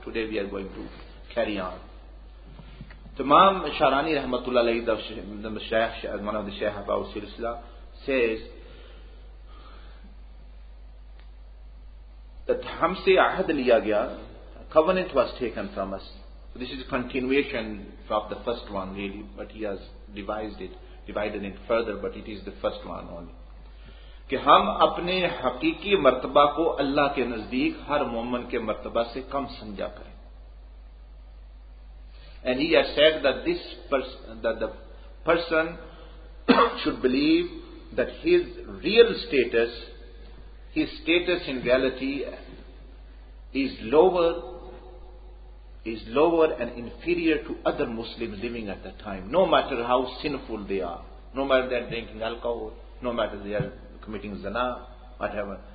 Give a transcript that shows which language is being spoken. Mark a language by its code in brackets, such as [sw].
[en] Today we are going to carry on. The Imam Sharani Rahmatullah Alayhi, the Shaykh, one of the Shaykh of our Silsila, says that [ur] Hamse Ahad Liya Gya, [en] a covenant was taken from us. So this is a continuation of the first one, really, but he has devised it. Divided it further, but it is the first one only. [ur] کہ ہم اپنے حقیقی مرتبہ کو اللہ کے نزدیک ہر مومن کے مرتبہ سے کم سمجھا کریں. [en] And he has said that this person, that the person should believe that his real status, his status in reality is lower and inferior to other Muslims living at that time, no matter how sinful they are, no matter they are drinking alcohol, no matter they are committing zina, whatever.